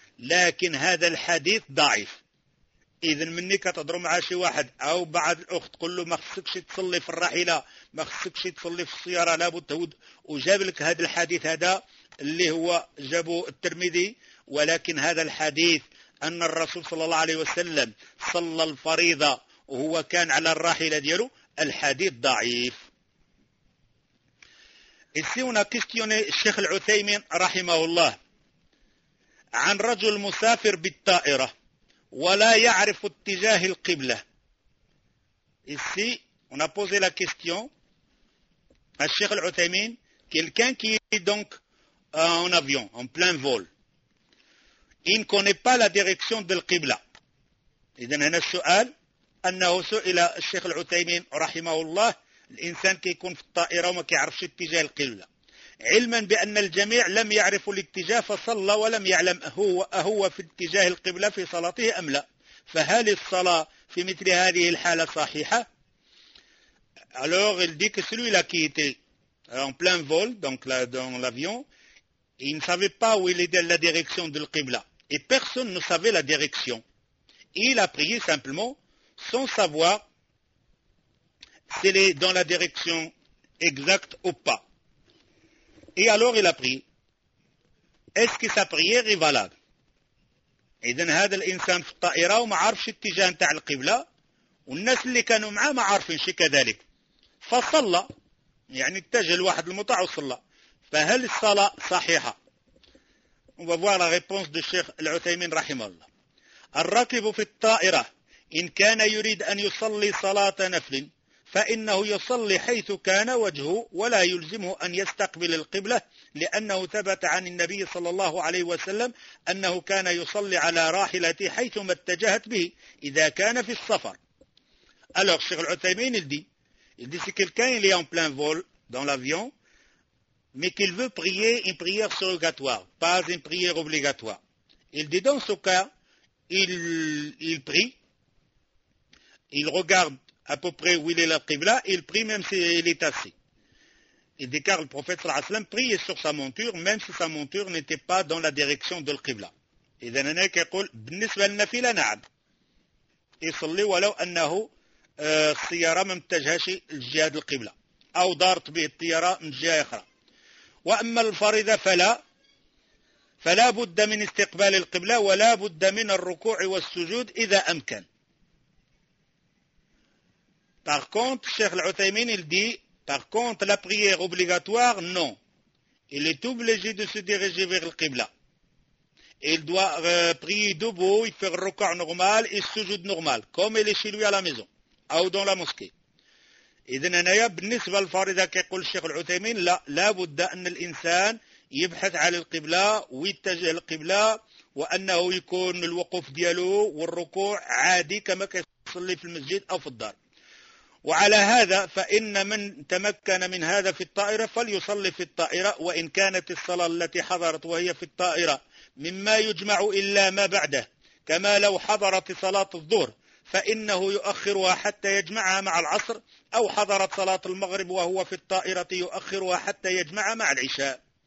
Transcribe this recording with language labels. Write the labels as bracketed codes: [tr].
[ar] لكن هذا الحديث ضعيف. إذن مني كتهضروا مع شي واحد أو بعض الأخت قل له ما خصكش تصلي في الراحلة، ما خصكش تصلي في السيارة، لابد تهود، وجاب لك هذا الحديث هذا اللي هو جابه الترمذي، ولكن هذا الحديث أن الرسول صلى الله عليه وسلم صلى الفريضة وهو كان على الراحلة ديالو، الحديث ضعيف. [fr] Ici on a questionné [ar] Cheikh Al-Uthaymin rahimahullah عن رجل مسافر بالطائرة ولا يعرف اتجاه القبلة. [fr] Ici on a posé la question à Cheikh Al-Uthaymin, quelqu'un qui est donc en avion, en plein vol. Il ne connaît pas la direction de l'Qibla. Et donc, [ar] il y a أنه سئل الشيخ العثيمين رحمه الله الإنسان كيكون في الطائرة وما كيعرفش اتجاه القبلة، علما بأن الجميع لم يعرفوا الاتجاه فصلى ولم يعلم هو في اتجاه القبلة في صلاته أم لا، فهل الصلاة في مثل هذه الحالة صحيحة؟ [fr] alors il dit que celui là qui était en plein vol donc là dans l'avion il ne savait pas où il était la direction de القبلة et personne ne savait la direction. Il a prié simplement sans savoir s'il est dans la direction exacte ou pas. Et alors il a prié. Est-ce que sa prière est valable? Et donc, [ar] هذا الانسان في الطائرة وما عارفش اتجاه نتاع القبلة والناس اللي كانوا معاه ما عارفينش كذلك. فصلى يعني اتجه لواحد المطاع وصلى. فهل الصلاة صحيحة؟ [fr] On va voir la réponse de Cheikh Al-Uthaymin Rahimallah. [ar] الراكب في الطائرة إن كان يريد أن يصلي صلاة نفل فإنه يصلي حيث كان وجهه ولا يلزمه أن يستقبل القبلة لأنه ثبت عن النبي صلى الله عليه وسلم أنه كان يصلي على راحلته حيثما اتجهت به إذا كان في السفر. [fr] Alors, Cheikh Al-Uthaymin il dit si quelqu'un est en plein vol dans l'avion, mais qu'il veut prier une prière surrogatoire, pas une prière obligatoire. Il dit dans ce cas, il prie, il regarde à peu près où il est la Qibla, il prie même s'il est assis. Il dit car le prophète sallallahu alayhi wa sallam priait sur sa monture, même si sa monture n'était pas dans la direction de la Qibla. Et il dit que [ar] بالنسبة للنافلة نعم يصلي ولو أنه السيارة ما متجهش لجهة القبلة أو دارت به الطيارة من جهة أخرى. وأما الفريضة فلا بد من استقبال القبلة ولا بد من الركوع والسجود إذا أمكن. [fr] Par contre, Cheikh Al-Uthaymin il dit, par contre, la prière obligatoire, non. Il est obligé de se diriger vers le Qibla. Il doit prier debout, il fait le ruku' normal et le sujoud normal, comme il est chez lui à la maison, ou dans la mosquée. [ar] إذن أنا بالنسبة للفريضة كيقول الشيخ العثيمين لا لابد أن الإنسان يبحث على القبلة ويتجه القبلة وأنه يكون الوقوف دياله والركوع عادي كما يصلي في المسجد أو في الدار. وعلى هذا فإن من تمكن من هذا في الطائرة فليصلي في الطائرة وإن كانت الصلاة التي حضرت وهي في الطائرة مما يجمع إلا ما بعده كما لو حضرت صلاة الظهر فإنه يؤخرها حتى يجمعها مع العصر أو حضرت صلاة المغرب وهو في الطائرة يؤخرها حتى يجمعها مع العشاء.